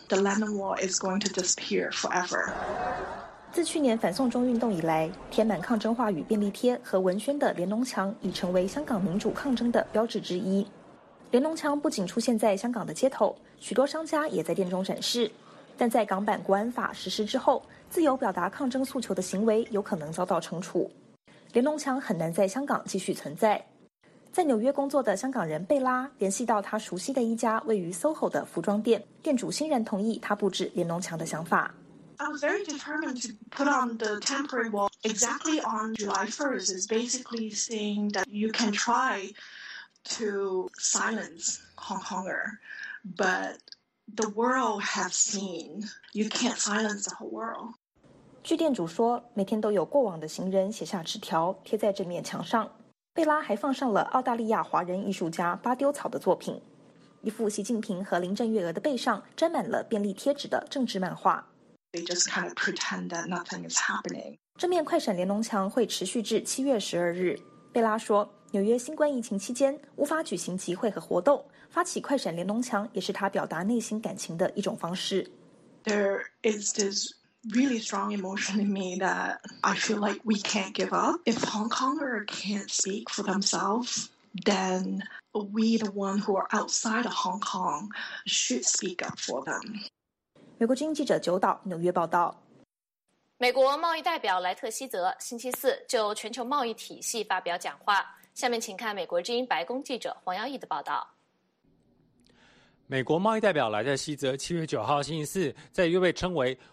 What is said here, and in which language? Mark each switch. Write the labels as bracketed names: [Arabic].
[English] The Lenin wall is going to disappear forever. [Chinese] 自去年反送中运动以来，贴满抗争话语便利贴和文宣的联农墙已成为香港民主抗争的标志之一。联农墙不仅出现在香港的街头，许多商家也在店中展示。但在港版国安法实施之后，自由表达抗争诉求的行为有可能遭到惩处，联农墙很难在香港继续存在。在纽约工作的香港人贝拉联系到他熟悉的一家位于 SOHO 的服装店，店主欣然同意他布置联农墙的想法。 [English] I was very determined to put on the temporary wall exactly on July 1st. It's basically saying that you can try to silence Hong Konger, but. The world has seen. You can't silence the whole world. [Chinese] 据店主说，每天都有过往的行人写下纸条贴在这面墙上。贝拉还放上了澳大利亚华人艺术家巴丢草的作品，一幅习近平和林郑月娥的背上沾满了便利贴纸的政治漫画。 [English] They just kind of pretend that nothing is happening. [Chinese] 这面快闪联农墙会持续至七月十二日。贝拉说，纽约新冠疫情期间无法举行集会和活动。发起快闪联农墙也是他表达内心感情的一种方式。 [English] There is this really strong emotion in me that I feel like we can't give up. If Hong Konger can't speak for themselves, then we, the one who are outside of Hong Kong, should speak up for them. [Chinese] 美国之音记者九岛，纽约报道。美国贸易代表莱特希泽星期四就全球贸易体系发表讲话。下面请看美国之音白宫记者黄耀毅的报道。美国贸易代表莱特希泽7月9号星期四在一位被称为